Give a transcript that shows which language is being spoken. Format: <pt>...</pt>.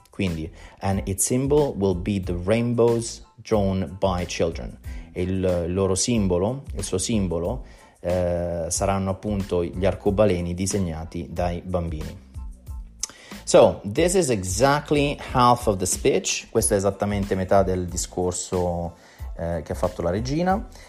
<it>Quindi,</it> <en>and its symbol will be the rainbows drawn by children.</en> <it>E il loro simbolo, il suo simbolo, saranno appunto gli arcobaleni disegnati dai bambini.</it> <en>So, this is exactly half of the speech.</en> <it>Questa è esattamente metà del discorso che ha fatto la regina.</it>